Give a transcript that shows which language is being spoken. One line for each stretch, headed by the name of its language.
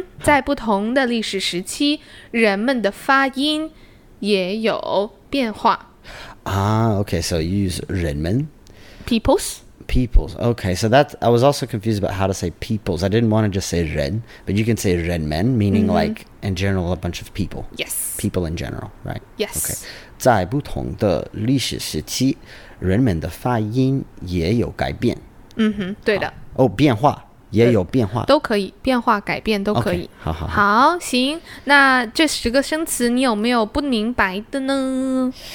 Chinese: 在不同的历史时期，人们的发音也有变化。
English: Ah, okay, so you use 人们。 Peoples. Peoples. Okay, so that, I was also confused about how to say peoples. I didn't want to just say 人, but you can say 人们, meaning like, in general, a bunch of people. Yes. People in general, right? Yes. Okay.
Chinese: 在不同的历史时期，人们的发音也有改变。嗯哼，对的。哦，变化也有变化，都可以变化改变都可以。 Okay, 好好好，行。那这十个生词你有没有不明白的呢？